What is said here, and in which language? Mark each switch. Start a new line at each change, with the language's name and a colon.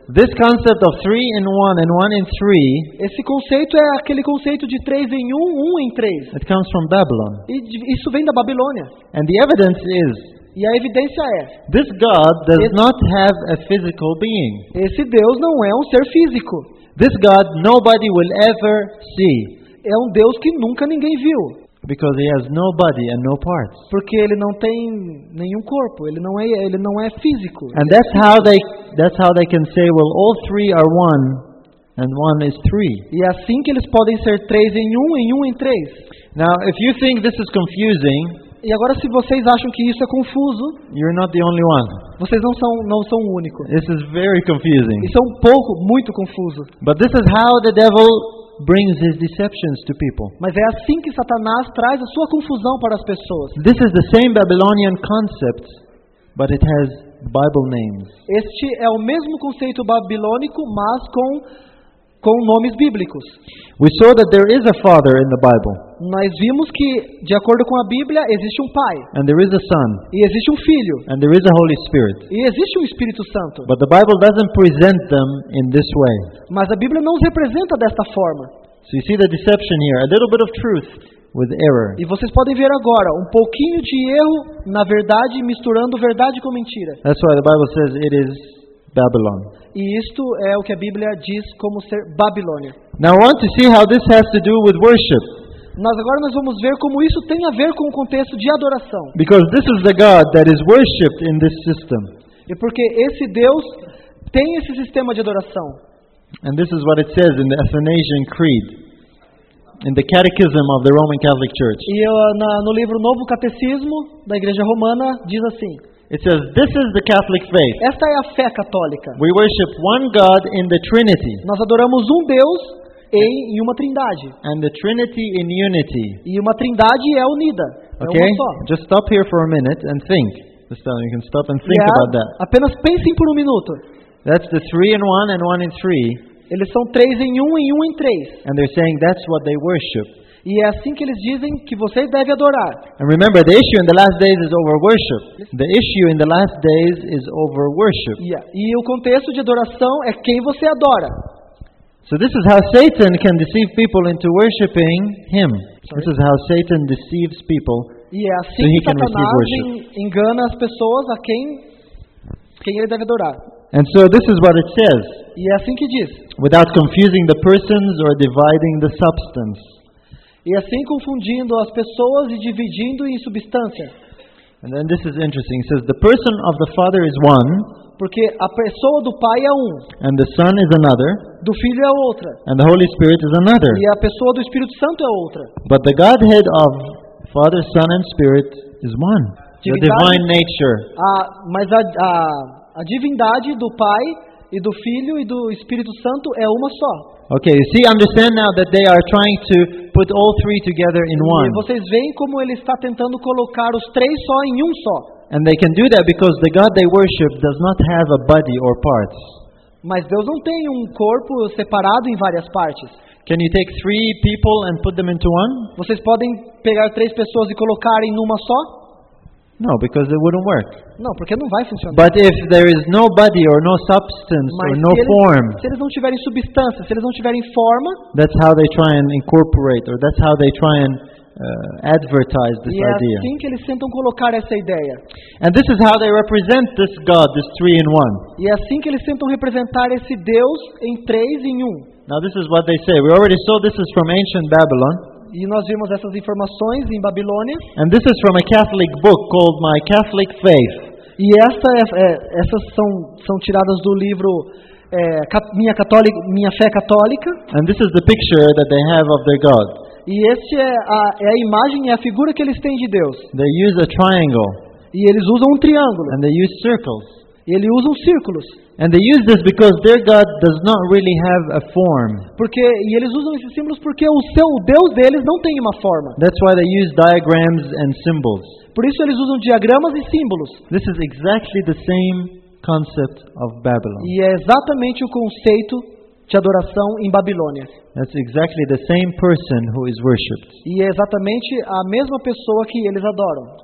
English: This concept of three in one and one in three.
Portuguese: Esse conceito é aquele conceito de três em um, um em três.
English: It comes from Babylon.
Portuguese: Isso vem da Babilônia.
English: And the evidence is.
Portuguese: E a evidência é.
English: This God does not have a physical being.
Portuguese: Esse Deus não é um ser físico.
English: This God nobody will ever see.
Portuguese: É um Deus que nunca ninguém viu.
English: Because he has no body and no parts.
Portuguese: Porque ele não tem nenhum corpo, ele não é físico.
English: And that's how they can say, well, all three are one and one is three.
Portuguese: E assim que eles podem ser três em um em três.
English: Now, if you think this is confusing,
Portuguese: e agora se vocês acham que isso é confuso,
English: you're not the only one.
Portuguese: Vocês não são o único.
English: This is very confusing.
Portuguese: Isso é um pouco muito confuso.
English: But this is how the devil brings his deceptions to people.
Portuguese: Mas é assim que Satanás traz a sua confusão para as pessoas.
English: This is the same Babylonian concept, but it has Bible names.
Portuguese: Este é o mesmo conceito babilônico, mas com nomes bíblicos.
English: We saw that there is a father in the Bible.
Portuguese: Nós vimos que, de acordo com a Bíblia, existe um pai.
English: And there is a son.
Portuguese: E existe um filho.
English: And there is a Holy Spirit.
Portuguese: E existe um Espírito Santo.
English: But the Bible doesn't present them in this way.
Portuguese: Mas a Bíblia não os representa desta forma.
English: So you see the deception here, a little bit of truth with error.
Portuguese: E vocês podem ver agora um pouquinho de erro na verdade, misturando verdade com mentira.
English: That's why the Bible says it is Babylon.
Portuguese: E isto é o que a Bíblia diz como ser Babilônia.
English: Now I want to see how this has to do with worship.
Portuguese: Nós agora nós vamos ver como isso tem a ver com o contexto de adoração.
English: Because this is the God that is worshipped in this system.
Portuguese: E porque esse Deus tem esse sistema de adoração.
English: And this is what it says in the Athanasian Creed, in the Catechism of the Roman Catholic Church.
Portuguese: E no livro Novo Catecismo da Igreja Romana diz assim.
English: It says, "This is the Catholic faith."
Portuguese: Esta é a fé católica.
English: We worship one God in the Trinity.
Portuguese: Nós adoramos um Deus em uma Trindade.
English: And the Trinity in unity.
Portuguese: E uma Trindade é unida.
English: Okay.
Portuguese: É uma só.
English: Just stop here for a minute and think. Just you can stop and think about that.
Portuguese: Apenas pensem por um minuto.
English: That's the three in one and one in three.
Portuguese: Eles são três em um e um em três.
English: And they're saying that's what they worship.
Portuguese: E é assim que eles dizem que você deve adorar.
English: And remember, the issue in the last days is over worship. The issue in the last days is over worship.
Portuguese: E o contexto de adoração é quem você adora.
English: So this is how Satan can deceive people into worshiping him. Sorry. This is how Satan deceives people.
Portuguese: E é assim que Satanás engana as pessoas a quem ele deve adorar.
English: And so this is what it says.
Portuguese: E é assim que diz.
English: Without confusing the persons or dividing the substance.
Portuguese: E assim confundindo as pessoas e dividindo em substância.
English: And then this is interesting. It says the person of the Father is one.
Portuguese: Porque a pessoa do Pai é um.
English: And the Son is another.
Portuguese: Do Filho é outra.
English: And the Holy Spirit is another.
Portuguese: E a pessoa do Espírito Santo é outra.
English: But the Godhead of Father, Son and Spirit is one.
Portuguese: Divindade,
English: the divine nature.
Portuguese: Mas a divindade do Pai e do Filho e do Espírito Santo é uma só.
English: Okay, you see, understand now that they are trying to put all three together in one.
Portuguese: E vocês veem como ele está tentando colocar os três só em um só.
English: And they can do that because the God they worship does not have a body or parts.
Portuguese: Mas Deus não tem um corpo separado em várias partes.
English: Can you take three people and put them into one?
Portuguese: Vocês podem pegar três pessoas e colocar em uma só?
English: No, because it wouldn't work.
Portuguese: Não, porque não vai funcionar.
English: But if there is no body or no substance
Portuguese: Mas
English: or no
Portuguese: eles,
English: form.
Portuguese: Se eles não tiverem substância, se eles não tiverem forma.
English: That's how they try and incorporate or that's how they try and advertise this
Portuguese: e
English: idea.
Portuguese: E assim que eles tentam colocar essa ideia.
English: And this is how they represent this God, this three in one.
Portuguese: E assim que eles tentam representar esse Deus em três em um.
English: Now this is what they say. We already saw this is from ancient Babylon.
Portuguese: E nós vimos essas informações em Babilônia.
English: And this is from a Catholic book called My Catholic Faith.
Portuguese: E essas são tiradas do livro Minha Fé Católica.
English: And this is the picture that they have of their God.
Portuguese: E este é a imagem e a figura que eles têm de Deus.
English: They use a triangle.
Portuguese: E eles usam um triângulo.
English: And they use circles.
Portuguese: E eles usam círculos.
English: And they use this because their God does not really have a form.
Portuguese: Porque e eles usam esses símbolos porque o seu Deus deles não tem uma forma.
English: That's why they use diagrams and symbols.
Portuguese: Por isso eles usam diagramas e símbolos.
English: This is exactly the same concept of Babylon.
Portuguese: E é exatamente o conceito de adoração em Babilônia.
English: That's exactly the same person who is worshipped.
Portuguese: E é exatamente a mesma pessoa que eles adoram.